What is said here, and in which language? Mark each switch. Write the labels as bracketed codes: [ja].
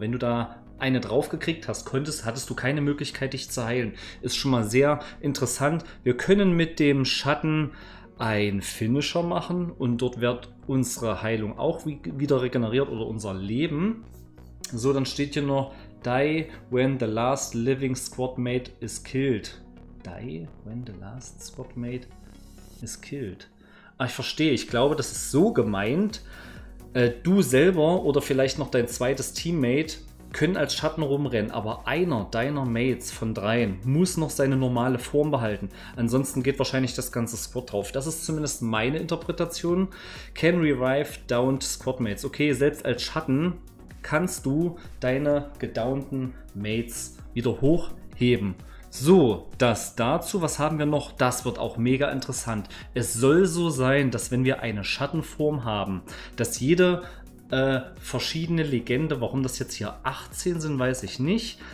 [de] Wenn du da eine draufgekriegt hast, hattest du keine Möglichkeit, dich zu heilen. Ist schon mal sehr interessant. Wir können mit dem Schatten ein Finisher machen und dort wird unsere Heilung auch wieder regeneriert oder unser Leben. So, dann steht hier noch [en] Die when the last living squadmate is killed. Die when the last squadmate is killed. [de] Ah, ich verstehe. Ich glaube, das ist so gemeint. Du selber oder vielleicht noch dein zweites Teammate können als Schatten rumrennen, aber einer deiner Mates von dreien muss noch seine normale Form behalten. Ansonsten geht wahrscheinlich das ganze Squad drauf. Das ist zumindest meine Interpretation. [en] Can revive downed Squadmates. [de] Okay, selbst als Schatten kannst du deine gedownten Mates wieder hochheben. So, das dazu. Was haben wir noch? Das wird auch mega interessant. Es soll so sein, dass wenn wir eine Schattenform haben, dass jede verschiedene Legende, warum das jetzt hier 18 sind, weiß ich nicht.